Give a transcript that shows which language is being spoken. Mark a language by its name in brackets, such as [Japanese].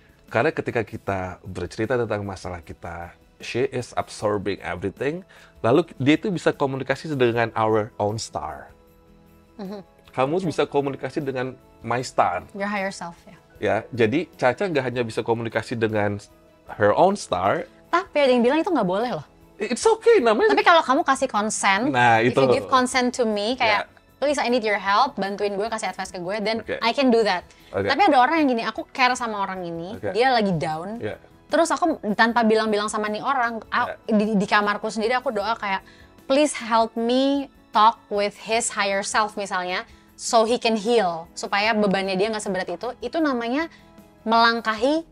[Indonesian] Karena ketika kita bercerita tentang masalah kita, [English] she is absorbing everything. [Indonesian] Lalu dia itu bisa komunikasi dengan [English] our own star. [Indonesian] Kamu bisa komunikasi dengan [English] my star. Your higher self, ya. [Indonesian] Ya, jadi Caca nggak hanya bisa komunikasi dengan [English] her own star. [Indonesian] Tapi ada yang bilang itu nggak boleh loh. [English] It's okay, [Indonesian] namanya. Tapi kalau kamu kasih consent, nah, itu. [English] If you give consent to me, kayak, yeah. Please, I need your help, [Indonesian] bantuin gue, kasih advice ke gue, [English] then okay. I can do that. Okay. [Indonesian] Tapi ada orang yang gini, aku care sama orang ini, okay. Dia lagi down. [English] Yeah. [Indonesian] Terus aku tanpa bilang-bilang sama nih orang, aku, yeah. di kamarku sendiri aku doa kayak, [English] please help me talk with his higher self [Indonesian] misalnya, [English] so he can heal, [Indonesian] supaya bebannya dia nggak seberat itu namanya melangkahi,